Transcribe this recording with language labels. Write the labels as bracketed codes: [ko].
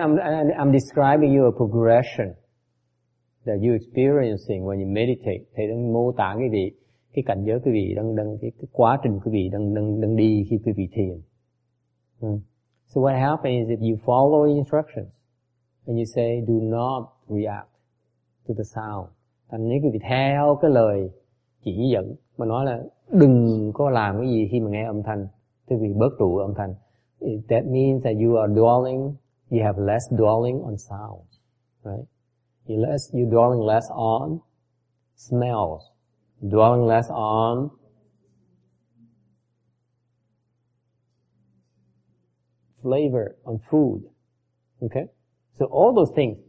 [en] I'm describing you a progression that you're experiencing when you meditate. [vi] Thầy đang mô tả cái gì, cái cảnh giới quý vị đang đang cái quá trình quý vị đang đang đang đi khi quý vị thiền. [en] So what happens is if you follow the instructions and you say do not react to the sound. [vi] Thành nếu quý vị theo cái lời chỉ dẫn mà nói là đừng có làm cái gì khi mà nghe âm thanh, quý vị bớt trụ âm thanh. [en] That means that you are dwelling, you have less dwelling on sounds, right? You're dwelling less on smells, dwelling less on flavor, on food, okay? So all those things.